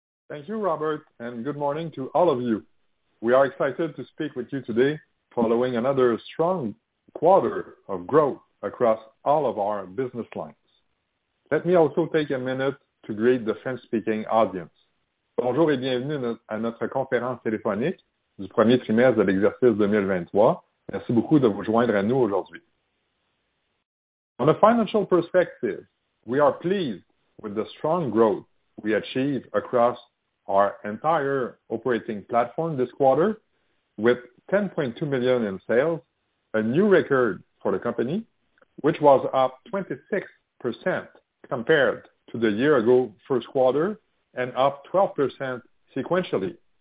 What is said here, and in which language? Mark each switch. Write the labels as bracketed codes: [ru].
[en] Thank you, Robert, and good morning to all of you. We are excited to speak with you today following another strong quarter of growth across all of our business lines. Let me also take a minute to greet the French-speaking audience. [fr] Bonjour et bienvenue à notre conférence téléphonique du premier trimestre de l'exercice 2023. Merci beaucoup de vous joindre à nous aujourd'hui. [en] On a financial perspective, we are pleased with the strong growth we achieved across our entire operating platform this quarter with 10.2 million in sales, a new record for the company, which was up 26% compared to the year-ago first quarter and up 12% sequentially.